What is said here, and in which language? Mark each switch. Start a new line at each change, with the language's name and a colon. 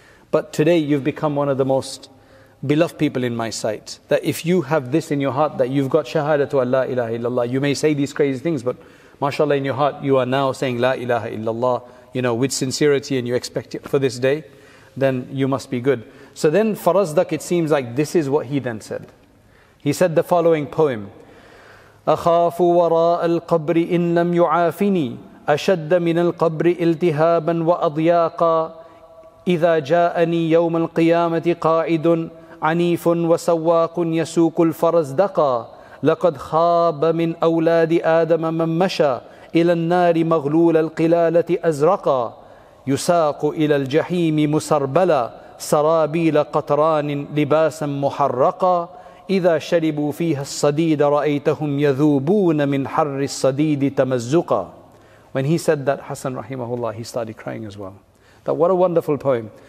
English: But today you've become one of the most beloved people in my sight, that if you have this in your heart, that you've got shahada to Allah ilaha illallah, you may say these crazy things, but mashallah in your heart, you are now saying la ilaha illallah, you know, with sincerity, and you expect it for this day, then you must be good. So then Farazdaq, it seems like this is what he then said. He said the following poem,
Arabic: أخاف وراء القبر إن لم يعافني أشد من القبر التهابا وأضياقا إذا جاءني يوم القيامة قاعد عنيف وسواق يسوق الفرزدقا لقد خاب من أولاد آدم من مشى إلى النار مغلول القلالة أزرقا يساق إلى الجحيم مسربلا سرابيل قطران لباسا محرقا إذا شربوا فيها الصديد رأيتهم يذوبون من حر الصديد تمزقا.
English: When he said that, Hassan rahimahullah, he started crying as well. That what a wonderful poem.